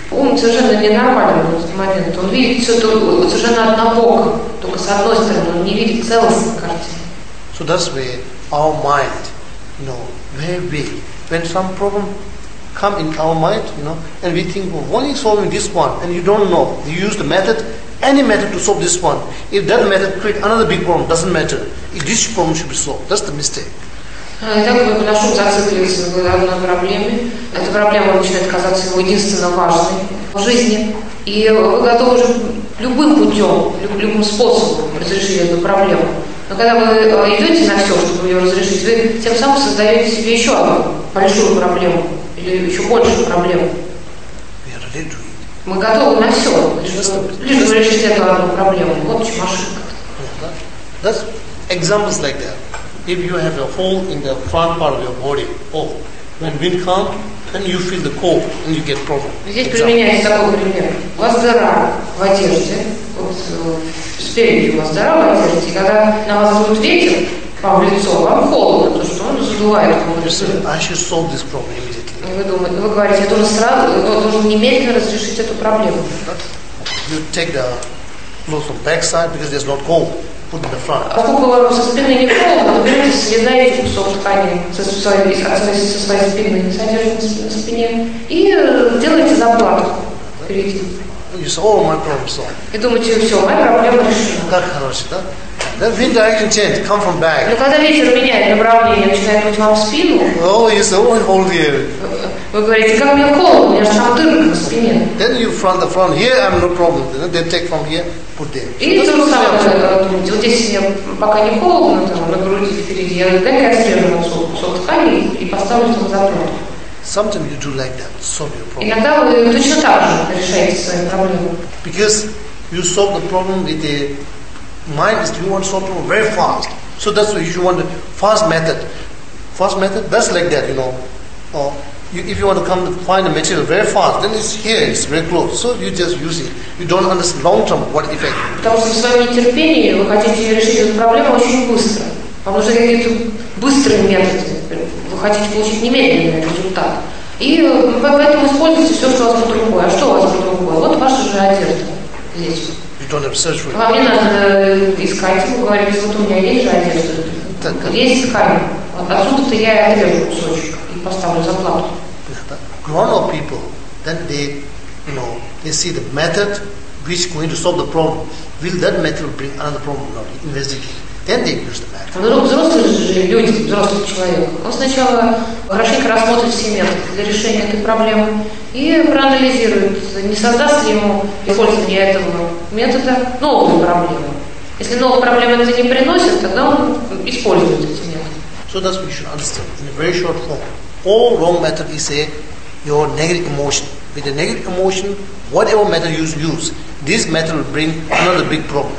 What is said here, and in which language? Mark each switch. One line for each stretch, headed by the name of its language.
Russian: Ум совершенно ненормальный в этот момент. Он видит все совершенно однобоко, только с одной стороны. Он не видит целостной картины.
English: So that's where our mind, you know, very big. When some problem come in our mind, you know, and we think, well, only solving this one, and you don't know. You use the method, any method to solve this one. If that method create another big problem, doesn't matter. If this problem should be solved, that's the mistake.
Russian: Итак, вы наш ум зацикливается в одной проблеме. Эта проблема начинает казаться его единственно важной в жизни. И вы готовы уже любым путем, любым способом разрешить эту проблему. Но когда вы идете на все, чтобы ее разрешить, вы тем самым создаете себе еще одну большую проблему или еще большую проблему. Мы готовы на все, лишь бы решить эту одну проблему. Вот чем ошибка.
English: That's examples like that. If you have a hole in the front part of your body, oh, when wind comes, then you feel the cold and you get problem.
Russian: Здесь применяется такой пример. У вас дыра в одежде, вот спереди у вас дыра в одежде, и когда на вас дует ветер вам в лицо, вам холодно, потому что он задувает комнату.
English: I should solve this problem immediately.
Russian: Вы говорите, я должен немедленно разрешить эту проблему.
English: You take the clothes from backside because it's not cold. Put in the front.
Russian: Поскольку вы со спины не холодно, то берете, съедаете кусок ткани со своей спины, содержите на спине, и делаете заплатку.
English: All my problems solved.
Russian: И думаете, все, моя проблема решена. Как хорошо, да?
English: The wind direction change, come from back.
Russian: Но когда ветер меняет направление, начинает быть вам в спину, вы говорите, как мне холодно, у меня же там дырка на спине.
English: Then you front, here I'm no problem. Then take from here, put there.
Russian: И то же самое, вот здесь мне пока не холодно, на груди впереди, я дай-ка я срежу на ткани и поставлю там заплатку.
English: Sometimes you do like that, solve your problem.
Russian: Иногда вы точно так же решаете свои проблемы.
English: Because you solve the problem with the mind is you want to solve problem very fast. So that's why you want the fast method. Fast method, that's like that, you know. If you want to come to find the material very fast, then it's here, it's very close. So you just use it. You don't understand long term what effect.
Russian: Потому что в своем нетерпении вы хотите решить эту проблему очень быстро. Вам нужны какие-то быстрые методы. Вы хотите получить немедленный результат. И поэтому используйте все, что у вас под рукой. А что у вас под рукой? Вот ваша же одежда здесь.
English: Don't have search for it.
Russian: Вам не надо искать, вы говорите, вот у меня есть же одежда, есть ткань. Отсюда-то я и отрежу кусочек и поставлю заплату.
English: Grown-up people, then they, you know, they see the method which is going to solve the problem. Will that method bring another problem? No, investigate. Then they use the method.
Russian: Вдруг взрослые же люди, взрослый человек, он сначала хорошенько рассмотрит все методы для решения этой проблемы и проанализирует, не создаст ли ему использование этого метода новую проблему. Если новую проблему это не приносит, тогда он использует эти методы.
English: So that's what you should understand in a very short form. All wrong method is a your negative emotion. With the negative emotion, whatever method you use, this method will bring another big problem.